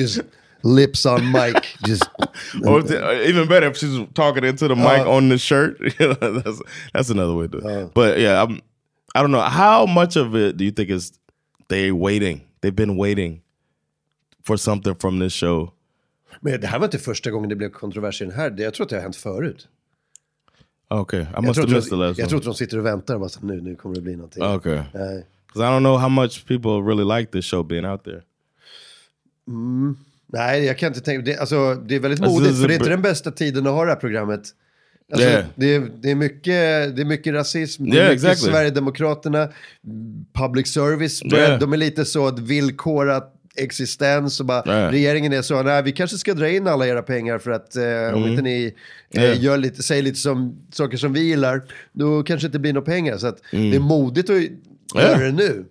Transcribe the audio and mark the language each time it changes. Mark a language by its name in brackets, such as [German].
[English] Just lips on mic. Just or even better, if she's talking into the mic on the shirt. that's another way to do it. But yeah, I don't know. How much of it do you think is they've been waiting for something from this show? [Swedish] Men det här var inte första gången det blev kontrovers i den här. Jag tror att det har hänt förut. [English] Okay, I must have missed the last one. [Swedish] Jag tror att de sitter och väntar och bara så, nu kommer det bli någonting. [English] Okay. Because I don't know how much people really like this show being out there. [Swedish] Mm. Nej, jag kan inte tänka. Det är väldigt modigt, för det är inte den bästa tiden att ha det här programmet. Alltså, [English] yeah. [Swedish] Det är mycket rasism. Det är mycket [English] exactly. Sverigedemokraterna. Public service. Yeah. [Swedish] De är lite så att villkora existens och bara, regeringen är så nej, vi kanske ska dra in alla era pengar för att om inte ni gör lite, säger lite som, saker som vi gillar då kanske det inte blir några pengar så att det är modigt att göra det nu.